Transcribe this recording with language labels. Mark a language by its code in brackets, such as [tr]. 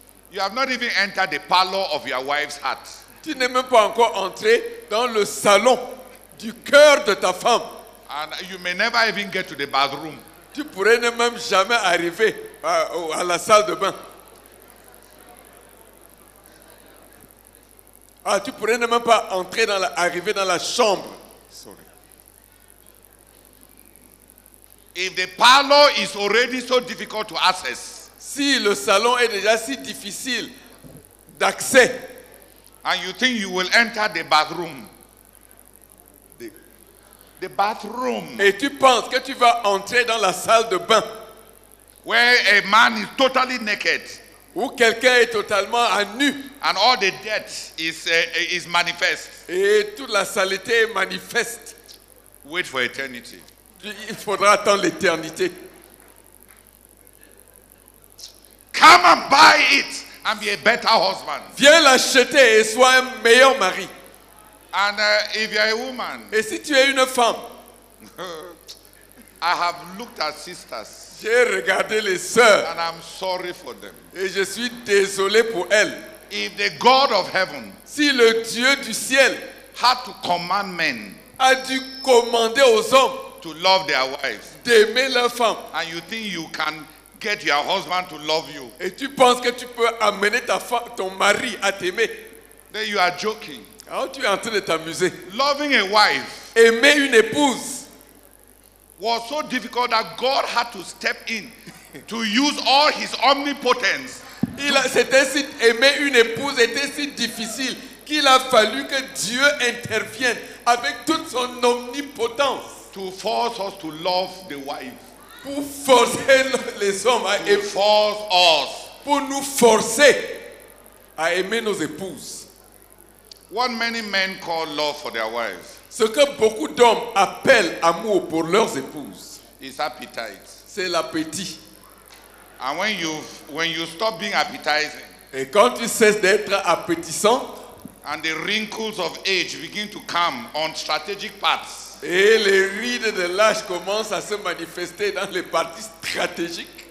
[en] You have not even entered the parlor of your wife's heart. [fr] Tu n'es même pas encore entré dans le salon du cœur de ta femme. [en] And you may never even get to the bathroom. [fr] Tu pourrais ne même jamais arriver à la salle de bain. Tu pourrais ne même pas arriver dans la chambre. [en] Sorry. If the parlor is already so difficult to access. [fr] Si le salon est déjà si difficile d'accès. [en] And you think you will enter the bathroom. The bathroom. [fr] Et tu penses que tu vas entrer dans la salle de bain. [en] Where a man is totally naked. [fr] Où quelqu'un est totalement à nu. [en] And all the dirt is manifest. [fr] Et toute la saleté est manifeste. [en] Wait for eternity. [fr] Il faudra attendre l'éternité. [en] Come and buy it and be a better husband. [fr] Viens l'acheter et sois un meilleur mari. [en] And if you're a woman, [fr] et si tu es une femme, [en] I have looked at sisters. [fr] J'ai regardé les sœurs. [en] And I'm sorry for them. [fr] Et je suis désolé pour elles. [en] If the God of heaven, [fr] si le Dieu du ciel, [en] had to command men, [fr] a dû commander aux hommes, [en] to love their wives, [fr] d'aimer leurs femmes, [en] and you think you can get your husband to love you, [fr] et tu penses que tu peux amener ton mari à t'aimer, [en] then you are joking. [fr] Alors tu es en train de t'amuser. [en] Loving a wife, [fr] aimer une épouse, [en] was so difficult that God had to step in to use all His omnipotence. [fr] Aimer une épouse était si difficile qu'il a fallu que Dieu intervienne avec toute son omnipotence [en] to force us to love the wife. [fr] Pour forcer les hommes à aimer, [en] force us. [fr] Pour nous forcer à aimer nos épouses. [en] What many men call love for their wives. [fr] Ce que beaucoup d'hommes appellent amour pour leurs épouses. [en] Is appetite. [fr] C'est l'appétit. [en] And when you stop being appetizing. [fr] Et quand tu cesses d'être appétissant. [en] And the wrinkles of age begin to come on strategic paths. [fr] Et les rides de l'âge commencent à se manifester dans les parties stratégiques.